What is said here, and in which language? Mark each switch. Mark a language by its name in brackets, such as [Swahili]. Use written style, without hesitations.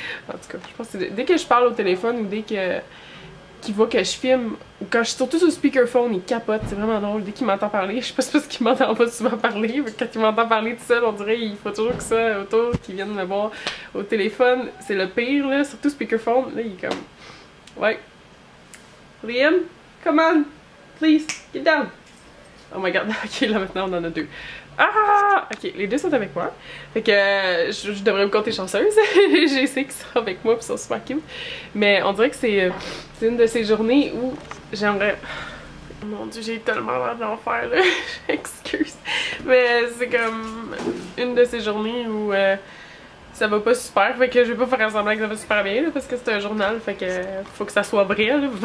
[French] En tout cas, je pense que dès que je parle au téléphone ou dès que... qu'il voit que je filme, ou quand je suis surtout sur le speakerphone, il capote, c'est vraiment drôle. Dès qu'il m'entend parler, je sais pas si c'est parce qu'il m'entend pas souvent parler, mais quand il m'entend parler tout seul, on dirait qu'il faut toujours que ça autour, qu'il vienne me voir au téléphone. C'est le pire, là, surtout speakerphone, là, il est comme... Ouais. [English] Liam, come on, please, get down. Oh my god, [French] ok, là maintenant on en a deux. Ah, ok, les deux sont avec moi. Fait que je devrais me compter chanceuse. J'ai essayé qu'ils sont avec moi pis ils sont super cute. Mais on dirait que c'est une de ces journées où j'aimerais... Mon dieu, j'ai tellement l'air d'en faire là, j'excuse. Mais c'est comme une de ces journées où ça va pas super, fait que je vais pas faire semblant que ça va super bien là, parce que c'est un journal, fait que faut que ça soit vrai là.